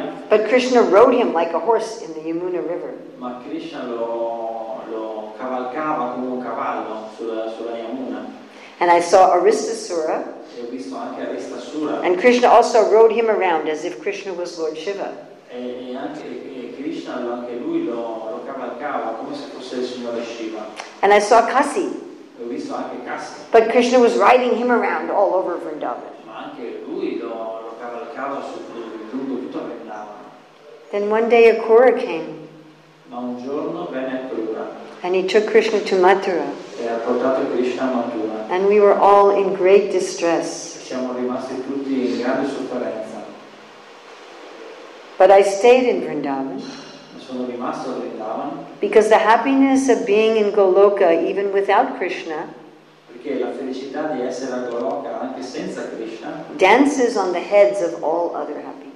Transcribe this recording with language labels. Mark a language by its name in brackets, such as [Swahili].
[English] But Krishna rode him like a horse in the Yamuna River. [Italian] Ma Krishna lo cavalcava come un cavallo sulla Yamuna. [English] And I saw Aristasura. [Italian] e ho visto anche Arista Sura. [English] And Krishna also rode him around as if Krishna was Lord Shiva. [Italian] E Krishna anche lui lo cavalcava come se fosse il signore Shiva. [English] And I saw Kasi. [Italian] Ho visto anche Kasi. [English] But Krishna was riding him around all over Vrindavan. [Italian] Ma anche lui lo cavalcava su lungo tutto Vrindavan. [English] Then one day Akura came. [Italian] Ma un giorno venne Akura. [English] And he took Krishna to Mathura. [Italian] E ha portato Krishna a Mathura. [English] And we were all in great distress. [Italian] Siamo rimasti tutti in grande sofferenza. [English] But I stayed in Vrindavan. [Italian] Sono rimasto a Vrindavan. [English] Because the happiness of being in Goloka, even without Krishna, [Italian] perché la felicità di essere a Goloka anche senza Krishna, [English] dances on the heads of all other happiness.